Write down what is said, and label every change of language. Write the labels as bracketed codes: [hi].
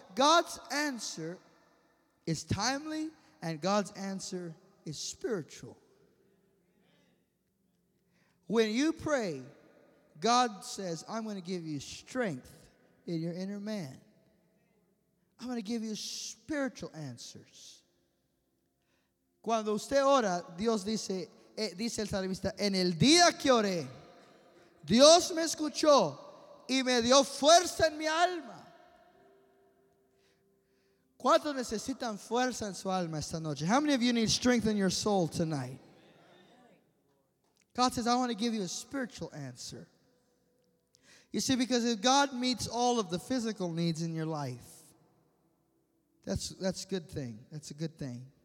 [en] God's answer is timely, and God's answer is spiritual. When you pray, God says, I'm going to give you strength in your inner man. I'm going to give you spiritual answers. [es] Cuando usted ora, Dios dice el salmista, en el día que oré, Dios me escuchó y me dio fuerza en mi alma. ¿Cuántos necesitan fuerza en su alma esta noche? [en] How many of you need strength in your soul tonight? God says, I want to give you a spiritual answer. You see, because if God meets all of the physical needs in your life, that's a good thing. That's a good thing.